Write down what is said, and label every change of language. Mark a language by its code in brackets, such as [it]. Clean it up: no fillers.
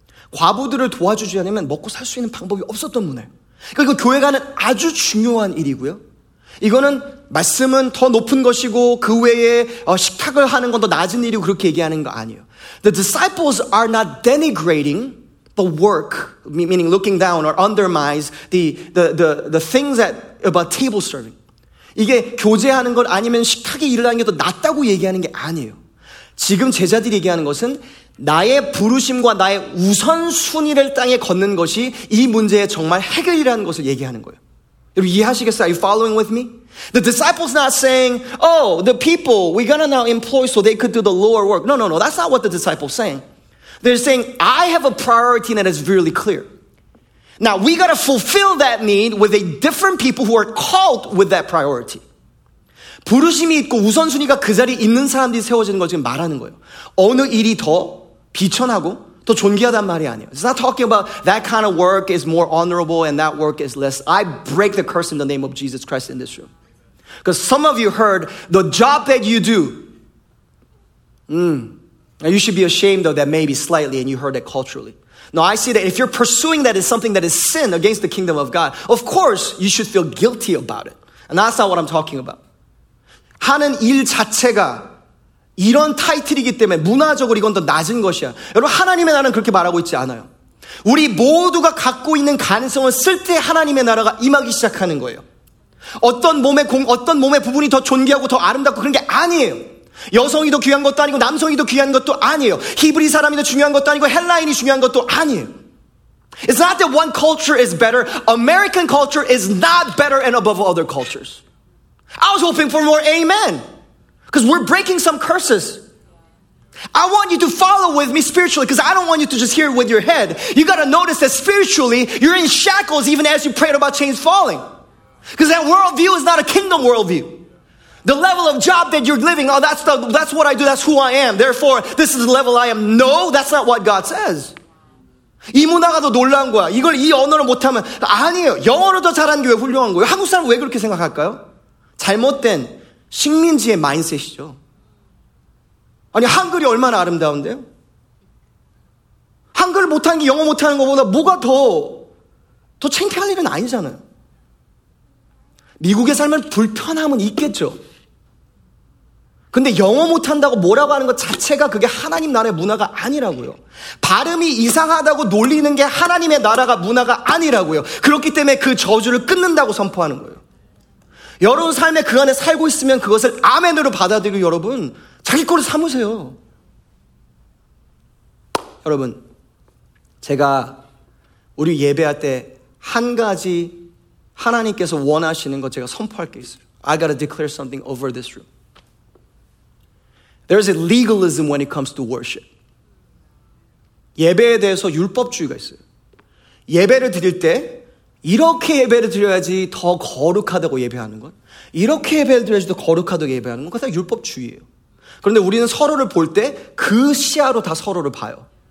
[ko] 과부들을 도와주지 않으면 먹고 살 수 있는 방법이 없었던 문화예요. 그러니까 교회 가는 아주 중요한 일이고요. 이거는 말씀은 더 높은 것이고 그 외에 식탁을 하는 건 더 낮은 일이고 그렇게 얘기하는 거 아니에요. [en] The disciples are not denigrating the work, meaning looking down or undermines the things that about table serving. [ko] 이게 교제하는 것 아니면 식탁에 일을 하는 게 더 낫다고 얘기하는 게 아니에요. 지금 제자들이 얘기하는 것은 나의 부르심과 나의 우선순위를 땅에 걷는 것이 이 문제의 정말 해결이라는 것을 얘기하는 거예요. 여러분 이해하시겠어요? [en] Are you following with me? The disciples not saying, oh, the people, we're gonna now employ so they could do the lower work. No, no, no, that's not what the disciples saying. They're saying, I have a priority that is really clear. Now, we gotta fulfill that need with a different people who are called with that priority. [ko] 부르심이 있고 우선순위가 그 자리에 있는 사람들이 세워지는 걸 지금 말하는 거예요. 어느 일이 더 비천하고 더 존귀하단 말이 아니에요. [en] It's not talking about that kind of work is more honorable and that work is less. I break the curse in the name of Jesus Christ in this room. Because some of you heard the job that you do. You should be ashamed of that maybe slightly and you heard it culturally. No, I see that if you're pursuing that as something that is sin against the kingdom of God, of course you should feel guilty about it. And that's not what I'm talking about. [ko] 하는 일 자체가 이런 타이틀이기 때문에 문화적으로 이건 더 낮은 것이야. 여러분 하나님의 나라는 그렇게 말하고 있지 않아요. 우리 모두가 갖고 있는 가능성을 쓸 때 하나님의 나라가 임하기 시작하는 거예요. 어떤 몸의 부분이 더 존귀하고 더 아름답고 그런 게 아니에요. 여성이도 귀한 것도 아니고 남성이도 귀한 것도 아니에요. 히브리 사람이도 중요한 것도 아니고 헬라인이 중요한 것도 아니에요. [en] It's not that one culture is better. American culture is not better and above other cultures. I was hoping for more amen. Because we're breaking some curses. I want you to follow with me spiritually because I don't want you to just hear it with your head. You got to notice that spiritually you're in shackles even as you prayed about chains falling. Because that worldview is not a kingdom worldview. The level of job that you're living, oh, that's what I do, that's who I am. Therefore, this is the level I am. No, that's not what God says. [ko] 이 문화가 더 놀라운 거야. 이걸 이 언어를 못하면 아니에요. 영어를 더 잘하는 게 왜 훌륭한 거예요? 한국 사람 왜 그렇게 생각할까요? 잘못된 식민지의 마인셋이죠. 아니 한글이 얼마나 아름다운데요? 한글 못하는 게 영어 못하는 것보다 뭐가 더 창피할 일은 아니잖아요. 미국에 살면 불편함은 있겠죠. 근데 영어 못한다고 뭐라고 하는 것 자체가 그게 하나님 나라의 문화가 아니라고요. 발음이 이상하다고 놀리는 게 하나님의 나라가 문화가 아니라고요. 그렇기 때문에 그 저주를 끊는다고 선포하는 거예요. 여러분 삶의 그 안에 살고 있으면 그것을 아멘으로 받아들이고 여러분 자기 거를 삼으세요. 여러분, 제가 우리 예배할 때 한 가지 하나님께서 원하시는 것 제가 선포할 게 있어요. [en] I gotta declare something over this room. There is a legalism when it comes to worship. [ko] 예배에 대해서 율법주의가 있어요. 예배를 드릴 때 이렇게 예배를 드려야지 더 거룩하다고 예배하는 것, 이렇게 예배를 드려야지 더 거룩하다고 예배하는 것, 그게 다 율법주의예요. 그런데 우리는 서로를 볼 때 그 시야로 다 서로를 봐요.